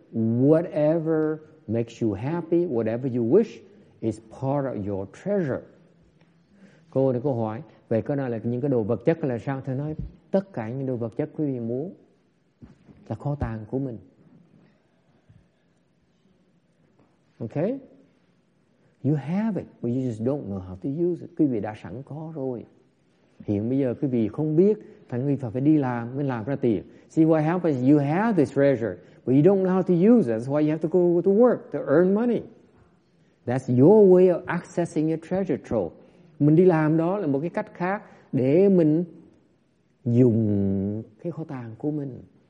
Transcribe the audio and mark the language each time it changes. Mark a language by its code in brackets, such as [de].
[en] Whatever makes you happy, whatever you wish, is part of your treasure. [vi] Cô này cô hỏi, vậy cái nào là những cái đồ vật chất là sao? Thầy nói, tất cả những đồ vật chất quý vị muốn là kho tàng của mình. [en] Okay? You have it, but you just don't know how to use it. [vi] Quý vị đã sẵn có rồi. Hiện bây giờ quý vị không biết, thành quý vị phải đi làm, mới làm ra tiền. [en] See what happens? You have this treasure, but you don't know how to use it. That's why you have to go to work, to earn money. That's your way of accessing your treasure trove. [vi] Mình đi làm đó là một cái cách khác để mình dùng cái kho tàng của mình.